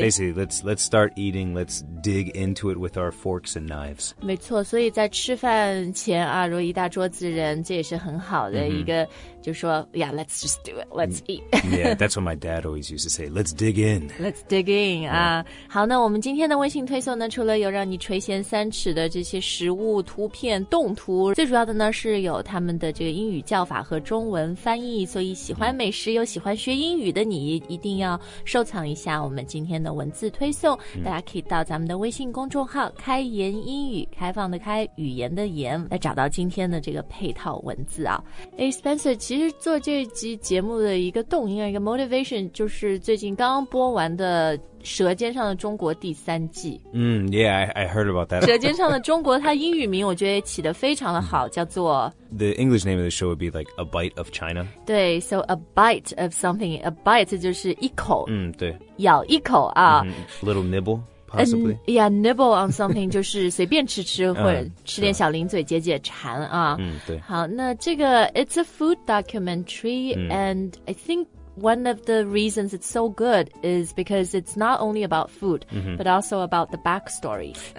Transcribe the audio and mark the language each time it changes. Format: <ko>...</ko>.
<en>basically, let's start eating, let's dig into it with our forks and knives.</en> <zh>没错，所以在吃饭前啊，如果一大桌子人，这也是很好的一个、就说</zh> <en>yeah, let's just do it, let's eat. Yeah, that's what my dad always used to say, let's dig in. Let's dig in,</en> <zh>啊、好，那我们今天的微信推送呢，除了有让你垂涎三尺的这些食物图片动图，最主要的呢是有他们的这个英语叫法和中文翻译，所以喜欢美食又喜欢学英语的你一定要收藏一下我们今天的文字推送、大家可以到咱们的微信公众号开言英语，开放的开，语言的言，来找到今天的这个配套文字啊。哎 Spencer, 其实做这集节目的一个动因，一个 motivation 就是最近刚播完的舌尖上的中国第三季。</zh> <en>Yeah, I heard about that.</en> <zh>舌尖上的中国它英语名我觉得起得非常的好，叫做</zh> <en>The English name of the show would be like A Bite of China.</en> <zh>对</zh> <en>so a bite of something,</en> <zh>a bite 就是一口。对。咬一口啊。</zh> <en>Little nibble, possibly.</en> <zh>Yeah,</zh> <en>nibble on something</en> <zh>就是随便吃吃或者吃点小零嘴解解馋啊。对。好那这个</zh> <en>It's a food documentary, and I thinkOne of the reasons it's so good is because it's not only about food,、but also about the backstory.</en>